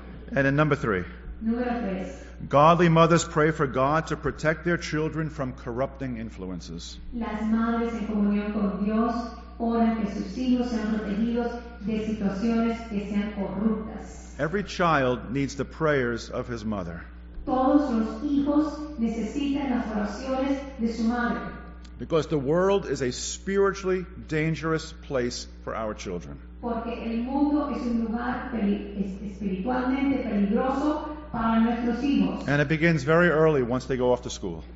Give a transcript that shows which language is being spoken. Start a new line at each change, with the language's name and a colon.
English: And then number three. Godly mothers pray for God to protect their children from corrupting influences.
Spanish: Las madres en comunión con Dios oran que sus hijos sean protegidos de situaciones que sean corruptas.
English: Every child needs the prayers of his mother.
Spanish: Todos los hijos necesitan las oraciones de su madre.
English: Because the world is a spiritually dangerous place for our children.
Spanish: Porque el mundo es un lugar espiritualmente peligroso.
English: And it begins very early once they go off to school.